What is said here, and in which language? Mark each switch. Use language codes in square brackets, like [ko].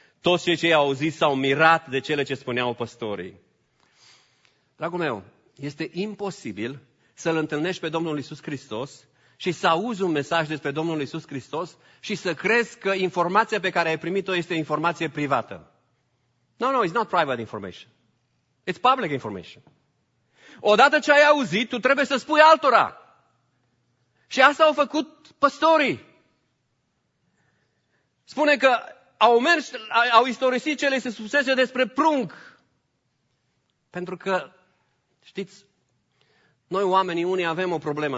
[ro] Toți cei ce i-au auzit s-au mirat de cele ce spuneau păstorii. Dragul meu, este imposibil să-L întâlnești pe Domnul Iisus Hristos și să auzi un mesaj despre Domnul Iisus Hristos și să crezi că informația pe care ai primit-o este informație privată. [en] No, no, it's not private information. It's public information. [ro] Odată ce ai auzit, tu trebuie să spui altora. Și asta au făcut păstorii. Spune că au mers, au istorisit ce le se spusese despre prunc. Pentru că, știți, noi oamenii, unii avem o problemă.